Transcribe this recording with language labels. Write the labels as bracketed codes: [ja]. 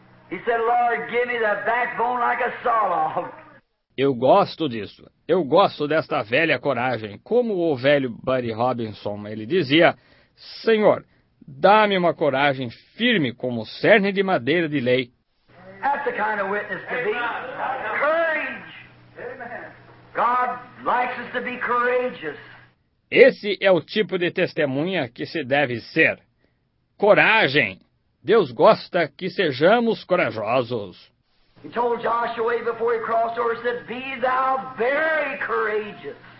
[en] He said, Lord, give me the backbone like a sawlog. [pt] Eu gosto disso. Eu gosto desta velha coragem. Como o velho Buddy Robinson, ele dizia, Senhor, dá-me uma coragem firme como cerne de madeira de lei. [en] That's the kind of witness to be. Courage. God likes us to be courageous. [pt] Esse é o tipo de testemunha que se deve ser. Coragem! Deus gosta que sejamos corajosos. [en] He told Joshua before he crossed over, he said, "Be thou very courageous.